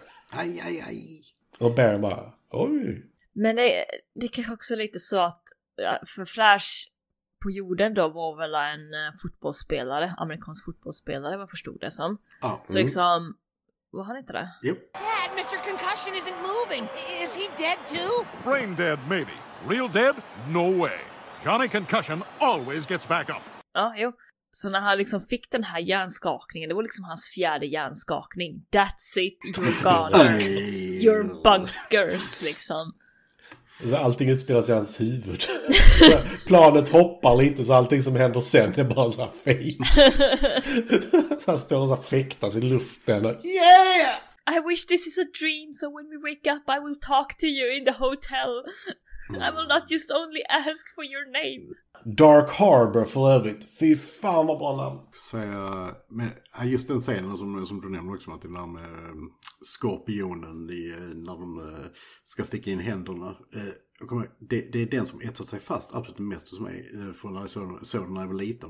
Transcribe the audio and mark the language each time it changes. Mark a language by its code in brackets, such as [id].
[sv] Aj, aj, aj. Och Baron bara, oj. Men det är kanske också lite så att... För Flash... På jorden då var väl en fotbollsspelare, amerikansk fotbollsspelare, vad förstod det som. Så liksom, var han inte det? Jo. [en] Dad, Mr. Concussion isn't moving. Is he dead too? Brain dead, maybe. Real dead? No way. Johnny Concussion always gets back up. [sv] Ja, jo. Så när han liksom fick den här hjärnskakningen, det var liksom hans fjärde hjärnskakning. [en] That's it, you're gone. You're bunkers, [sv] liksom. Så allting utspelas i hans huvud. Planet hoppar lite, så allting som händer sen är bara så här fake. Så han står och så fäktas i luften. Och, yeah! [en] I wish this is a dream, so when we wake up I will talk to you in the hotel. I will not just only ask for your name. [sv] Dark Harbor för övrigt. Fy fan vad bra namn. Så, men just den scenen som du nämnde också, att det där med skorpionen när de ska sticka in händerna. Det är den som etsat sig fast absolut mest hos mig från när jag såg den när jag var liten.